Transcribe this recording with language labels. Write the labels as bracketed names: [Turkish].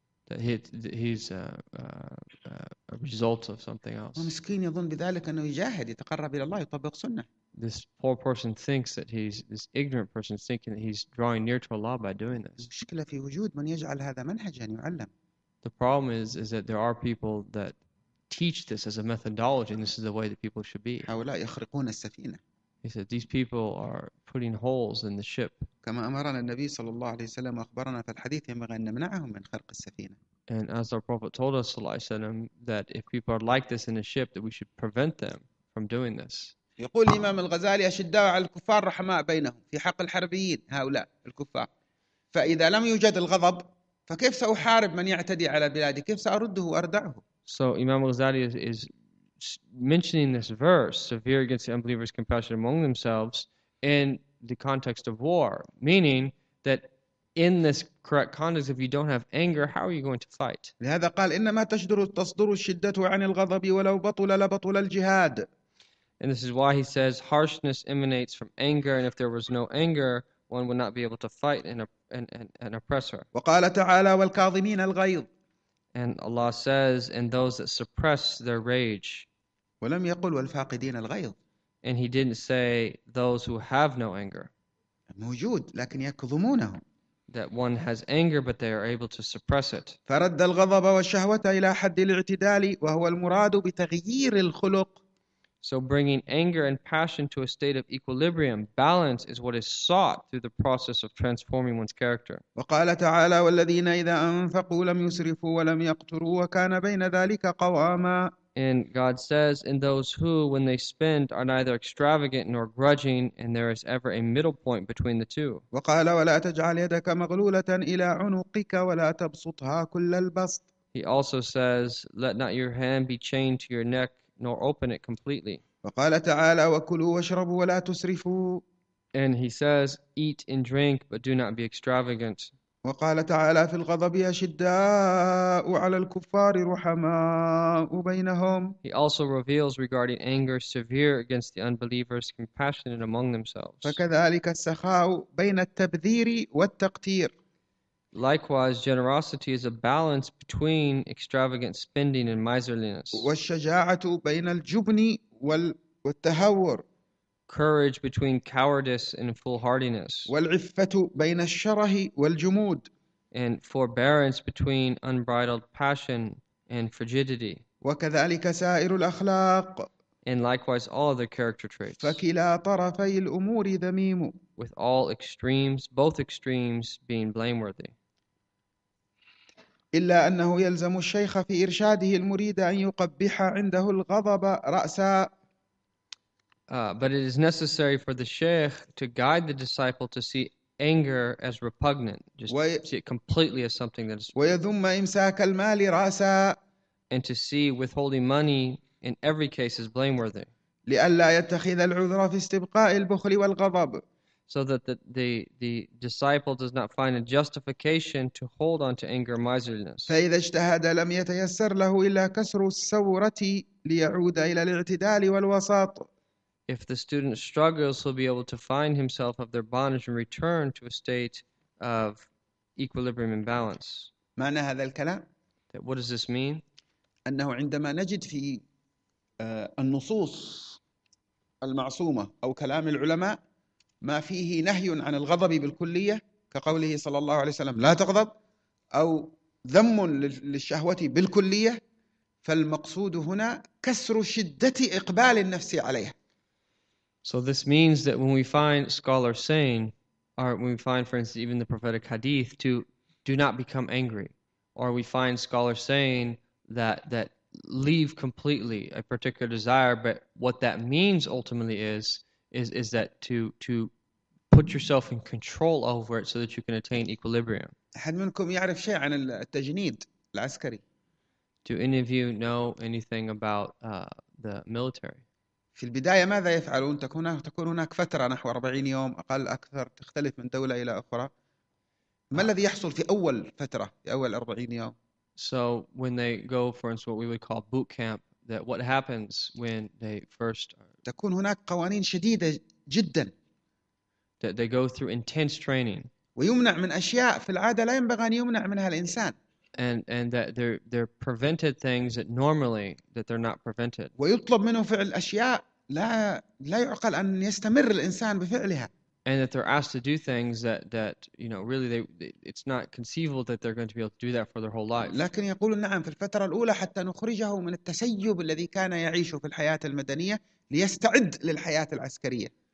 [English] That he's a result of something else. [Arabic] ومسكين يظن بذلك أنه يجاهد يتقرب إلى الله يطبق سنة. [English] This poor person thinks that he's, this ignorant person is thinking that he's drawing near to Allah by doing this. [Arabic] المشكلة في وجود من يجعل هذا منهجا يعلم. [English] The problem is that there are people that teach this as a methodology, and this is the way that people should be. [Arabic] هؤلاء يخرقون السفينة. [English] He said these people are putting holes in the ship. [Arabic] كما أمرنا النبي صلى الله عليه وسلم وأخبرنا في الحديث ينبغي أن نمنعهم من خرق السفينة. [English] And as our Prophet told us, [Arabic] صلى الله عليه وسلم, [English] that if people are like this in a ship, that we should prevent them from doing this. [Arabic] يقول الإمام الغزالي أشداء على الكفار رحماء بينهم في حق الحربيين هؤلاء الكفار. فإذا لم يوجد الغضب فكيف سأحارب من يعتدي على بلادي؟ كيف سأرده وأردعه؟ [English] So Imam Ghazali is mentioning this verse, severe against the unbelievers, compassion among themselves, in the context of war, meaning that in this correct context, if you don't have anger, how are you going to fight? [Arabic] لهذا قال إنما تصدر الشدة عن الغضب ولو بطل لبطل الجهاد. [English] And this is why he says harshness emanates from anger, and if there was no anger, one would not be able to fight an oppressor. [Arabic] وقال تعالى والكاظمين الغيظ. [English] And Allah says, and those that suppress their rage. [Arabic] ولم يقل والفاقدين الغيظ. [English] And he didn't say those who have no anger. [Arabic] موجود لكن يكظمونه. [English] That one has anger but they are able to suppress it. [Arabic] فرد الغضب والشهوة إلى حد الاعتدال وهو المراد بتغيير الخلق. [English] So bringing anger and passion to a state of equilibrium, balance, is what is sought through the process of transforming one's character. [Arabic] وقال تعالى والذين إذا أنفقوا لم يسرفوا ولم يقتروا وكان بين ذلك قواما. [English] And God says, in those who, when they spend, are neither extravagant nor grudging, and there is ever a middle point between the two. [Arabic] وقال ولا تجعل يدك مغلولة إلى عنقك ولا تبسطها كل البسط. [English] He also says, let not your hand be chained to your neck, nor open it completely. [Arabic] وقال تعالى وكلوا واشربوا ولا تسرفوا. [English] And he says, eat and drink, but do not be extravagant. [Arabic] وقال تعالى في الغضب أشداء على الكفار رحماء بينهم. [English] He also reveals regarding anger severe against the unbelievers, compassionate among themselves. [Arabic] فكذلك السخاء بين التبذير والتقتير. [English] Likewise, generosity is a balance between extravagant spending and miserliness. [Arabic] والشجاعة بين الجبن والتهور. [English] Courage between cowardice and foolhardiness. [Arabic] والعفة بين الشره والجمود. [English] And forbearance between unbridled passion and frigidity. [Arabic] وكذلك سائر الأخلاق. [English] And likewise, all other character traits. [Arabic] فكلا طرفي الأمور ذميم. [English] With all extremes, both extremes being blameworthy. [Arabic] إلا أنه يلزم الشيخ في إرشاده المريد أن يقبح عنده الغضب رأسا. [English] But it is necessary for the sheikh to guide the disciple to see anger as repugnant, just see it completely as something that is. [Arabic] ويذم إمساك المال رأسا. [English] And to see withholding money in every case is blameworthy. [Arabic] لئلا يتخذ العذر في استبقاء البخل والغضب. [English] So that the disciple does not find a justification to hold on to anger and miserliness. [Arabic] فإذا اجتهد لم يتيسر له إلا كسر الثورة ليعود إلى الاعتدال والوسط. [English] If the student struggles, he'll be able to find himself of their bondage and return to a state of equilibrium and balance. [Arabic] معنى هذا الكلام؟ [English] What does this mean? [Arabic] أنه عندما نجد في النصوص المعصومة أو كلام العلماء ما فيه نهي عن الغضب بالكلية كقوله صلى الله عليه وسلم لا تغضب، أو ذم للشهوة بالكلية، فالمقصود هنا كسر شدة إقبال النفس عليها. [English] So this means that when we find scholars saying, or when we find, for instance, even the prophetic hadith, to do not become angry, or we find scholars saying that leave completely a particular desire, but what that means ultimately is that to put yourself in control over it so that you can attain equilibrium. [Arabic] أحد منكم يعرف شيء عن التجنيد العسكري؟ [English] Do any of you know anything about the military? [Arabic] في البداية ماذا يفعلون؟ تكون هناك فترة نحو 40 يوم أقل أكثر، تختلف من دولة إلى أخرى. ما الذي يحصل في أول فترة، في أول 40 يوم؟ [English] So when they go for instance what we would call boot camp, that what happens when they first [Arabic] تكون هناك قوانين شديدة جدا، [English] that they go through intense training, [Arabic] ويمنع من أشياء في العادة لا ينبغي أن يمنع منها الإنسان، [English] and that they're prevented things that normally that they're not prevented. [Arabic] ويطلب منه فعل أشياء لا يعقل أن يستمر الإنسان بفعلها. [English] And that they're asked to do things that you know really it's not conceivable that they're going to be able to do that for their whole life. [Arabic] لكن يقول نعم في الفترة الأولى حتى نخرجه من التسيب الذي كان يعيشه في الحياة المدنية ليستعد للحياة العسكرية.